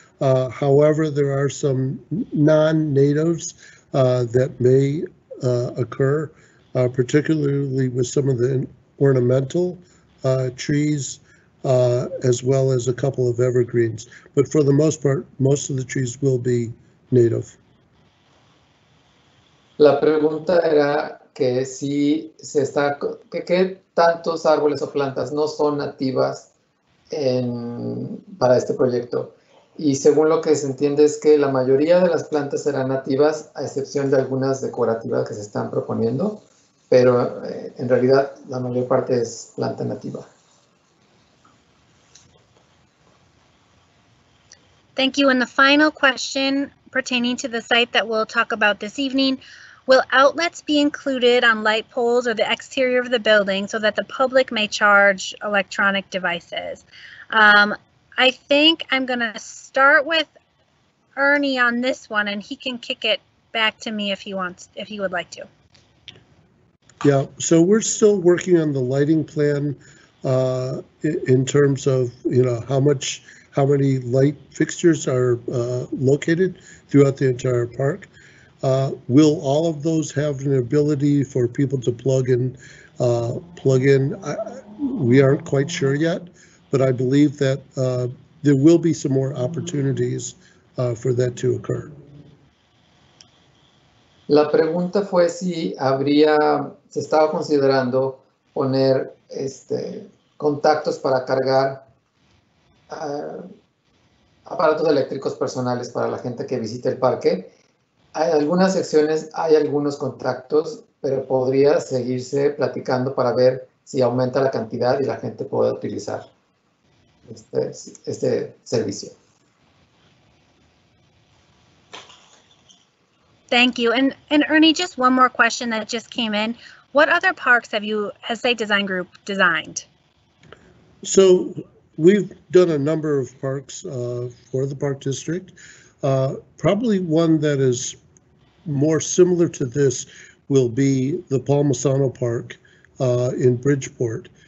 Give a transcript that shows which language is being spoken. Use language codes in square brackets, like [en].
[en] However, there are some non-natives that may occur, particularly with some of the ornamental trees, as well as a couple of evergreens. But for the most part, most of the trees will be native. [es] La pregunta era que si se está, que tantos árboles o plantas no son nativas para este proyecto. Y según lo que se entiende es que la mayoría de las plantas serán nativas, a excepción de algunas decorativas que se están proponiendo, pero en realidad la mayor parte es planta nativa. [en] Thank you. And the final question pertaining to the site that we'll talk about this evening, will outlets be included on light poles or the exterior of the building so that the public may charge electronic devices? I think I'm going to start with Ernie on this one, and he can kick it back to me if he would like to. Yeah, so we're still working on the lighting plan in terms of, you know, how many light fixtures are located throughout the entire park. Will all of those have an ability for people to plug in? We aren't quite sure yet. But I believe that there will be some more opportunities for that to occur. [es] La pregunta fue si habría, se estaba considerando poner contactos para cargar aparatos eléctricos personales para la gente que visita el parque. En algunas secciones hay algunos contactos, pero podría seguirse platicando para ver si aumenta la cantidad y la gente pueda utilizar este servicio. [en] Thank you. And Ernie, just one more question that just came in. What other parks has Site Design Group designed? So we've done a number of parks for the park district. Probably one that is more similar to this will be the Palmisano Park in Bridgeport.